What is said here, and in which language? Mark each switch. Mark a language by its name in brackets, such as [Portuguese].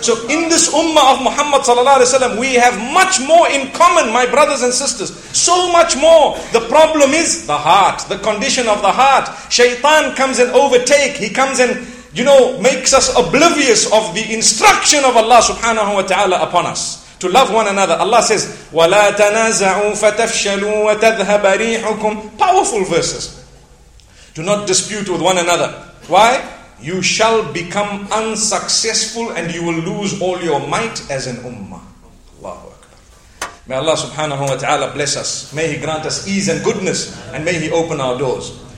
[English] So in this ummah of Muhammad sallallahu alaihi wasallam, we have much more in common, my brothers and sisters. So much more. The problem is the heart, the condition of the heart. Shaitan comes and overtake. He comes and, you know, makes us oblivious of the instruction of Allah subhanahu wa ta'ala upon us to love one another. Allah says, [Arabic] وَلَا تَنَازَعُوا فَتَفْشَلُوا وَتَذْهَبَ رِيحُكُمْ. [English] Powerful verses. Do not dispute with one another. Why? You shall become unsuccessful and you will lose all your might as an ummah. Allahu Akbar. May Allah subhanahu wa ta'ala bless us. May He grant us ease and goodness and may He open our doors.